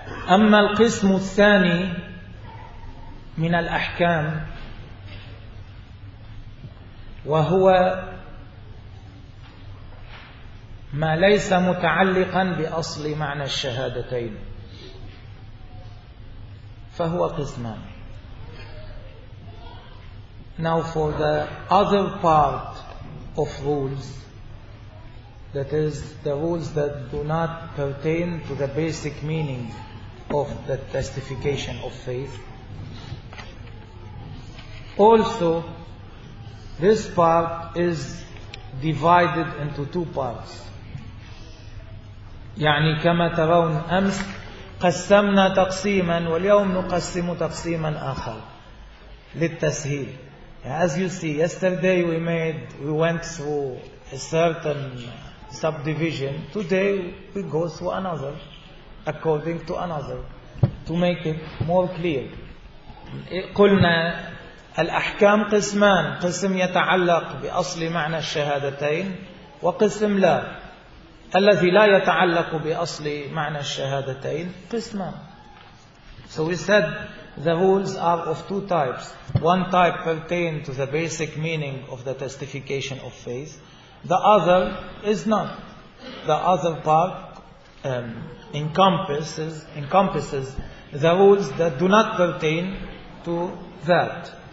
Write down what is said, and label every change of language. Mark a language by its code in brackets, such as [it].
[ar] أما القسم الثاني من الأحكام وهو ما ليس متعلقا بأصل معنى الشهادتين فهو قسمان. [en] Now for the other part of rules, that is the rules that do not pertain to the basic meaning of the testification of faith. Also, this part is divided into two parts. [ar] يعني كما ترون أمس قسمنا تقسيما واليوم نقسم تقسيما آخر للتسهيل. [en] As you see, yesterday we went through a certain subdivision. Today we go through another, according to another, to make it more clear. [ar] قلنا الأحكام قسمان, قسم يتعلق بأصل معنى الشهادتين وقسم لا. الذي لا يتعلق بأصل معنى الشهادتين قسمان. [en] So we said the rules are of two types. One type pertain to the basic meaning of the testification of faith. The other is not. The other part encompasses the rules that do not pertain to that.